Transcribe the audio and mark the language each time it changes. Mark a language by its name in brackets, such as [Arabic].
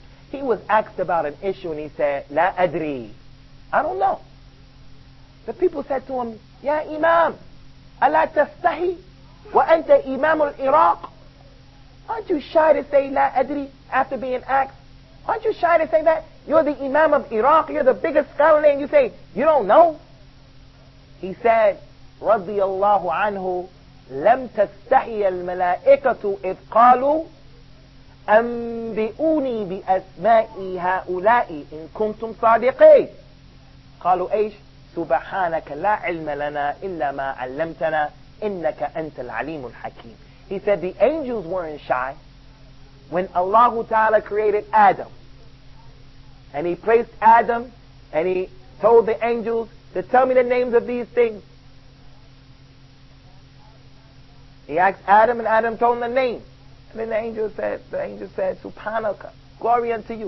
[English] He was asked about an issue, and he said, La adri. I don't know. The people said to him, Ya Imam, [Arabic] ألا تستحي وأنت إمام العراق؟ [English] Aren't you shy to say [Arabic] لا أدري [English] after being asked? Aren't you shy to say that? You're the Imam of Iraq, you're the biggest scholar, and you say, you don't know? He said, [Arabic] رضي الله عنه لم تستحي الملائكة إذ قالوا أنبئوني بأسماء هؤلاء إن كنتم صادقين. قالوا إيش؟ سبحانك لا علم لنا إلا ما علمتنا إنك أنت العليم الحكيم. [English] He said the angels weren't shy when Allah Ta'ala created Adam. And he placed Adam and he told the angels to tell me the names of these things. He asked Adam and Adam told him the name. And then the angel said, Subhanaka, glory unto you.